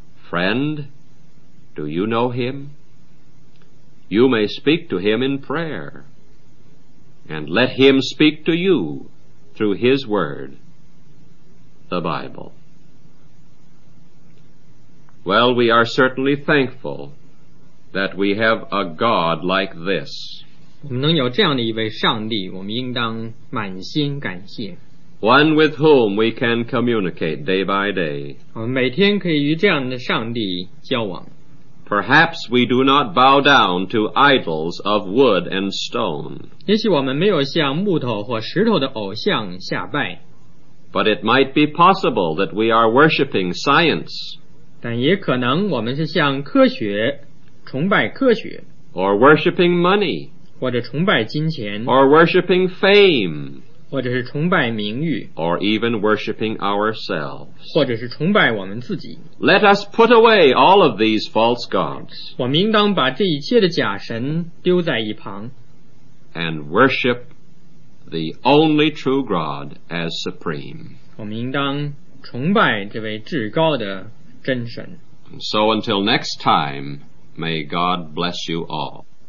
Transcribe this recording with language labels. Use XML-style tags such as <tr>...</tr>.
<en>Friend, do you know him? You may speak to him in prayer, and let him speak to you through his word, the Bible. Well, we are certainly thankful that we have a God like this.</en> <zh>我们能有这样的一位上帝，我们应当满心感谢。</zh> <en>One with whom we can communicate day by day.</en> <zh>我们每天可以与这样的上帝交往。</zh> <en>Perhaps we do not bow down to idols of wood and stone.</en> <zh>也许我们没有向木头或石头的偶像下拜。</zh> <en>But it might be possible that we are worshipping science.</en> <zh>但也可能我们是向科学崇拜科学。</zh> <en>Or worshipping money.</en> <zh>或者崇拜金钱。</zh> <en>Or worshipping fame.</en> <zh>或者是崇拜名誉</zh> <en>or even worshipping ourselves</en> <zh>或者是崇拜我们自己</zh> <en>let us put away all of these false gods</en> <zh>我们应当把这一切的假神丢在一旁</zh> <en>and worship the only true God as supreme</en> <zh>我们应当崇拜这位至高的真神</zh> <en>so until next time may God bless you all</en>